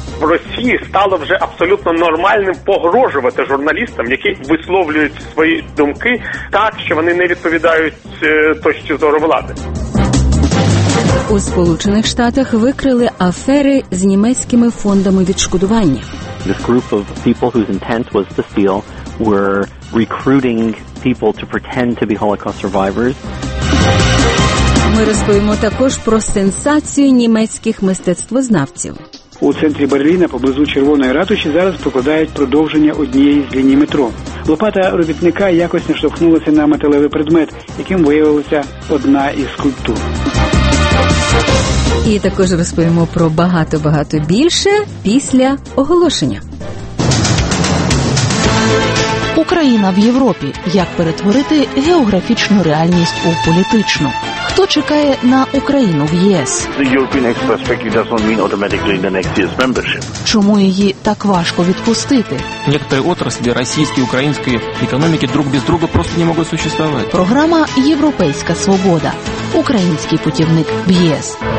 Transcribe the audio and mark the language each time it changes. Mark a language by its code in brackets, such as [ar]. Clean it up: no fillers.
[uk] В Росії стало вже абсолютно нормальним погрожувати журналістам, які висловлюють свої думки так, що вони не відповідають точці зору влади. У Сполучених Штатах викрили афери з німецькими фондами відшкодування. [en] This group of people whose intent was to steal were recruiting people to pretend to be Holocaust survivors. [uk] Ми розповімо також про сенсацію німецьких мистецтвознавців. У центрі Берліна поблизу Червоної ратуші зараз прокладають продовження однієї з ліній метро. Лопата робітника якось наштовхнулася на металевий предмет, яким виявилася одна із скульптур. І також розповімо про багато-багато більше після оголошення. Україна в Європі. Як перетворити географічну реальність у політичну? Хто чекає на Україну в ЄС? [en] The European Express Package doesn't mean automatically the next year's membership. [uk] Чому її так важко відпустити? Некоторі отраслі російської, української економіки друг без друга просто не можуть существовать. Програма «Європейська свобода». Український путівник в ЄС.